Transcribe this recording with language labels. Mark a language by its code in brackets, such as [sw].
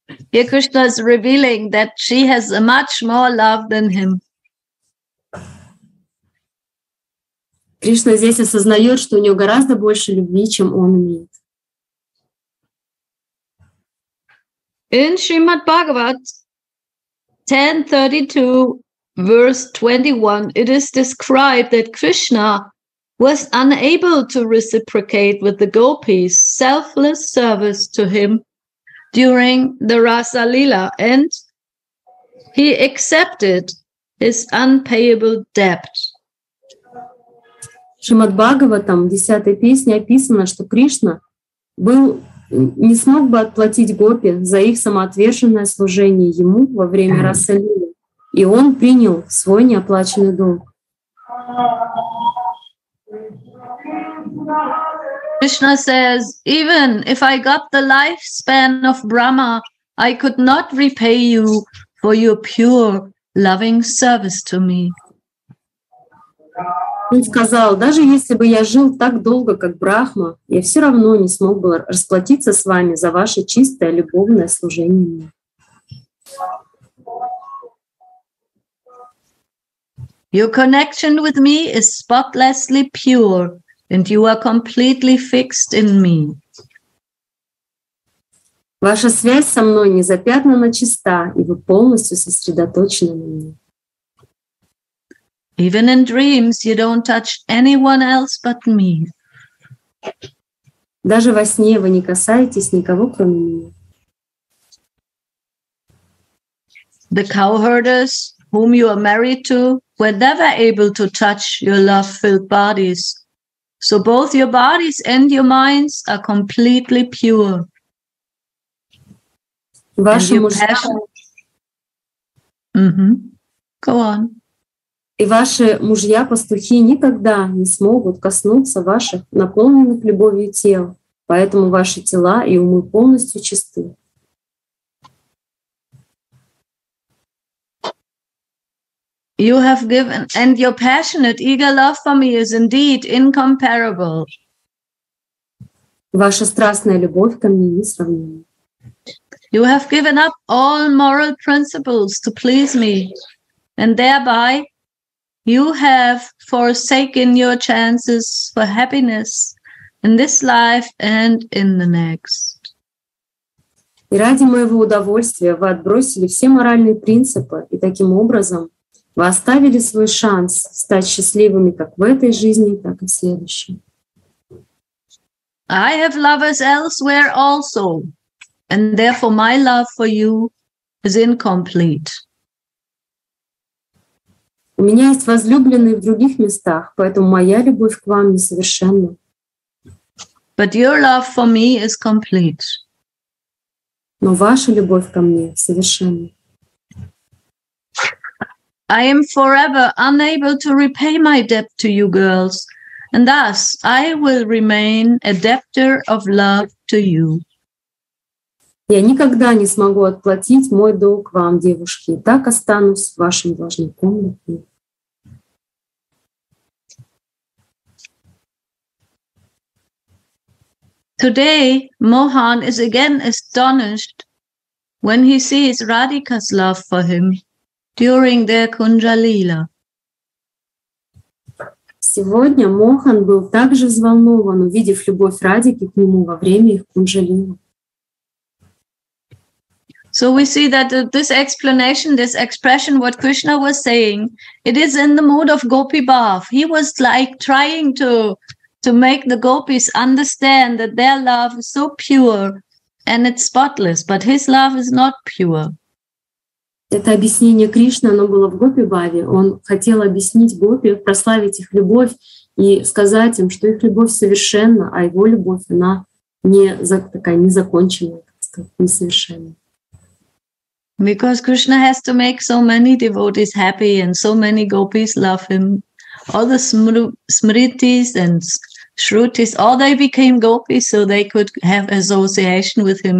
[en] Here Krishna is revealing that she has much more love than him. [ru] Кришна здесь осознает, что у нее гораздо больше любви, чем он имеет. [en] In Srimad Bhagavat 10.32, verse 21, it is described that Krishna was unable to reciprocate with the gopis' selfless service to him during the Rasa Lila, and he accepted his unpayable debt. [ru] Srimad Bhagavatam, 10-й песне, описано, что Кришна был не смог бы отплатить гопи за их самоотверженное служение ему во время Расалилы, и он принял свой неоплаченный долг. [en] Krishna says, even if I got the lifespan of Brahma, I could not repay you for your pure loving service to me. [ru] Он сказал, даже если бы я жил так долго, как Брахма, я все равно не смог бы расплатиться с вами за ваше чистое любовное служение мне. [en] Your connection with me is spotlessly pure, and you are completely fixed in me. [ru] Ваша связь со мной незапятнанно чиста, и вы полностью сосредоточены на мне. [en] Even in dreams, you don't touch anyone else but me. [ru] Даже во сне вы не касаетесь никого, кроме меня. [en] The cowherders, whom you are married to, were never able to touch your love-filled bodies. So both your bodies and your minds are completely pure. [ru] Ваши мужья... [en] Passion... Go on. [ru] И ваши мужья-пастухи никогда не смогут коснуться ваших наполненных любовью тел, поэтому ваши тела и умы полностью чисты. [en] You have given, and your passionate, eager love for me is indeed incomparable. [ru] Ваша страстная любовь ко мне несравнима. [en] You have given up all moral principles to please me, and thereby you have forsaken your chances for happiness in this life and in the next. [ru] И ради моего удовольствия вы отбросили все моральные принципы и таким образом вы оставили свой шанс стать счастливыми как в этой жизни, так и в следующей. [en] I have lovers elsewhere also, and therefore my love for you is incomplete. [ru] У меня есть возлюбленные в других местах, поэтому моя любовь к вам несовершенна. [en] But your love for me is complete. [ru] Но ваша любовь ко мне совершенна. [en] I am forever unable to repay my debt to you girls, and thus I will remain a debtor of love to you. [ru] Я никогда не смогу отплатить мой долг вам, девушки, и так останусь вашим должником. [en] Today, Mohan is again astonished when he sees Radhika's love for him during their Kunjalila. [ru] Сегодня Мохан был также взволнован, увидев любовь Радики к нему во время их кунжалилы. [en] So we see that this explanation, this expression, what Krishna was saying, it is in the mood of Gopi Bhav. He was like trying to make the gopis understand that their love is so pure and it's spotless, but his love is not pure. [ru] Это объяснение Кришны, оно было в Гопи Бхаве. Он хотел объяснить Гопи, прославить их любовь и сказать им, что их любовь совершенна, а его любовь, она не такая незаконченная, так сказать, несовершенная. [en] Because Krishna has to make so many devotees happy and so many gopis love him. All the smritis and shrutis, all they became gopis so they could have association with him.